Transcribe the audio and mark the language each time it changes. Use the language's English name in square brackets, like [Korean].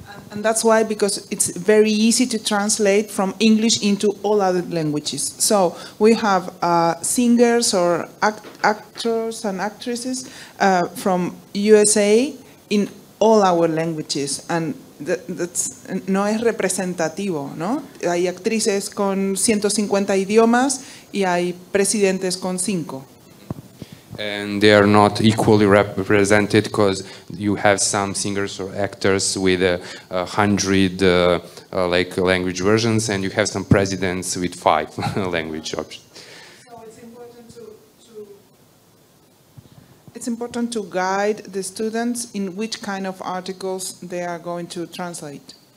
[English] And that's why, because it's very easy to translate from English into all other languages. So we have singers or actors and actresses from USA in all our languages, and that's [Spanish] no es representativo, ¿no? Hay actrices con 150 idiomas y hay presidentes con 5. [English] And they are not equally represented, because you have some singers or actors with 100 like language versions, and you have some presidents with 5 language options. So it's important to guide the students in which kind of articles they are going to translate.